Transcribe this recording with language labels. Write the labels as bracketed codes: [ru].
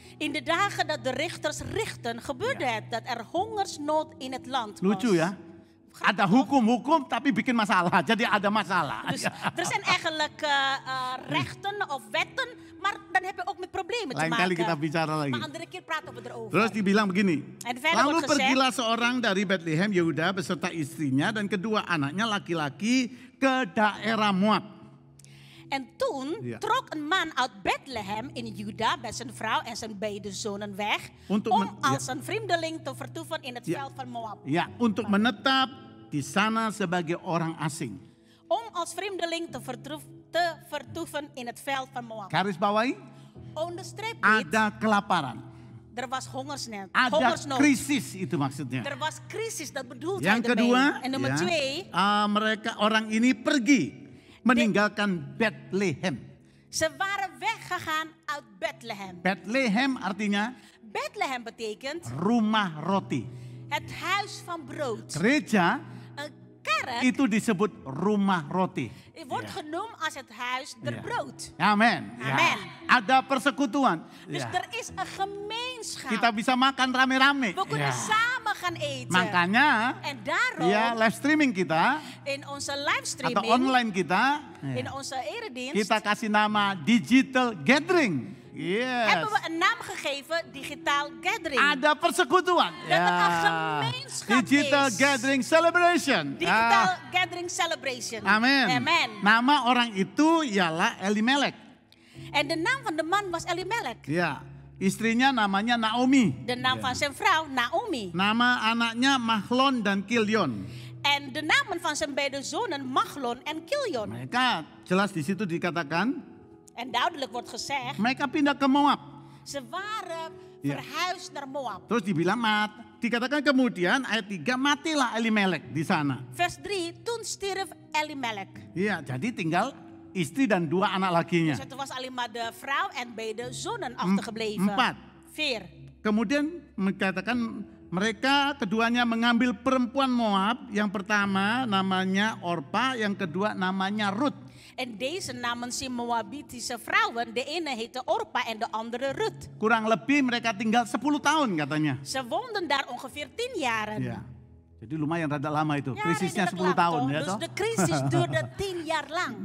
[nl] In de dagen dat de richters richten, gebeurde het dat er hongersnood in het land was. [id] Lucu ya. Ada hukum-hukum tapi bikin masalah. Jadi ada masalah. [nl] Dus, er zijn eigenlijk rechten of wetten, maar dan heb je ook met problemen [id] lain [nl] te maken. [id] Lain kali kita bicara lagi. [nl] Maar andere keer praten we erover. [id] Terus dibilang begini. Lalu pergilah seorang dari Bethlehem Yehuda beserta istrinya dan kedua anaknya laki-laki ke daerah Moab. [nl] En toen trok een man uit Bethlehem in Juda met zijn vrouw en zijn beide zonen weg. Om als een vreemdeling te vertoeven in het veld van Moab. [id] Ja, untuk menetap di sana sebagai orang asing. [nl] Om als vreemdeling te vertoeven in het veld van Moab. [id] Garis bawahi. [nl] Onderstreep dit. [id] Ada kelaparan. [nl] Er was hongersnood. [id] Ada krisis itu maksudnya. [nl] Er was krisis, dat bedoelt hij. [id] Yang kedua. [nl] En nummer twee. [id] Mereka orang ini pergi. Meninggalkan Bethlehem. [nl] Ze waren weggegaan uit Bethlehem. [id] Bethlehem artinya? [nl] Bethlehem betekent? [id] Rumah roti. [nl] Het huis van brood. [id] Gereja. [nl] Een kerk. [id] Itu disebut rumah roti. [nl] Het wordt genoemd als het huis der brood. [id] Amen. [nl] Amen. [id] Ada persekutuan. [nl] Dus er is een gemeenschap. [id] Kita bisa makan rame-rame. [nl] We kunnen samen gaan eten. [id] Makanya. [nl] En daarom. [id] Ya, live streaming kita. [nl] In onze live streaming. [id] Atau online kita. [nl] In onze eredienst. [id] Kita kasih nama digital gathering. Yes. [nl] Hebben we een naam gegeven, digital gathering. [id] Ada persekutuan. [nl] Dat het een gemeenschap [en] digital [nl] is. [en] Digital gathering celebration. Digital gathering celebration. [id] Amen. [nl] Amen. [id] Nama orang itu ialah Elimelek. [nl] En de naam van de man was Elimelek. [id] Ya. Istrinya namanya Naomi. [nl] De naam van zijn vrouw, Naomi. [id] Nama anaknya Mahlon dan Kilion. [nl] En de namen van zijn beide zonen, Mahlon en Kilion. [id] Mereka jelas di situ dikatakan. [nl] En duidelijk wordt gezegd. [id] Mereka pindah ke Moab. [nl] Ze waren verhuisd naar Moab. [id] Terus dibilang mat. Dikatakan kemudian ayat 3, matilah Elimelek di sana. [nl] Vers 3, toen stierf Elimelek. [id] Ya, jadi tinggal istri dan dua anak lakinya. [nl] Dus het was alleen maar de vrouw en beide zonen achtergebleven. [id] 4. [nl] Vier. [id] Kemudian dikatakan mereka keduanya mengambil perempuan Moab. Yang pertama namanya Orpa, yang kedua namanya Ruth. [nl] En deze namen zijn Moabitische vrouwen. De ene heette Orpa en de andere Ruth. [id] Kurang lebih mereka tinggal 10 tahun katanya. [nl] Ze woonden daar ongeveer 10 jaren. [id] Ya. Jadi lumayan rada lama itu. Krisisnya 10 tahun ya toh. [nl] Dus de krisis duurde 10 jaar lang.